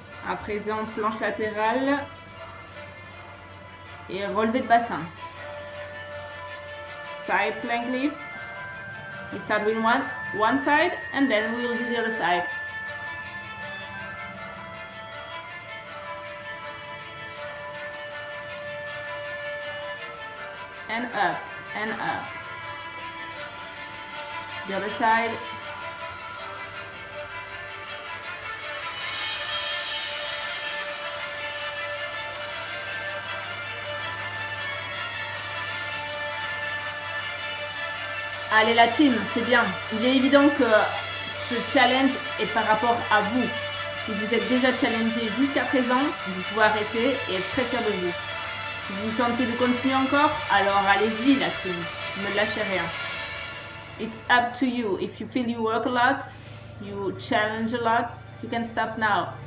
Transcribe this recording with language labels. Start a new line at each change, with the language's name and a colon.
French: À présent, planche latérale et relevé de bassin.
English: Side plank lifts. We start with one side and then we'll do the other side. And up, and up. The other side.
French: Allez la team, c'est bien. Il est évident que ce challenge est par rapport à vous. Si vous êtes déjà challengé jusqu'à présent, vous pouvez arrêter et être très fier de vous. Si vous vous sentez de continuer encore, alors allez-y la team. Ne lâchez rien.
English: It's up to you. If you feel you work a lot, you challenge a lot, you can stop now.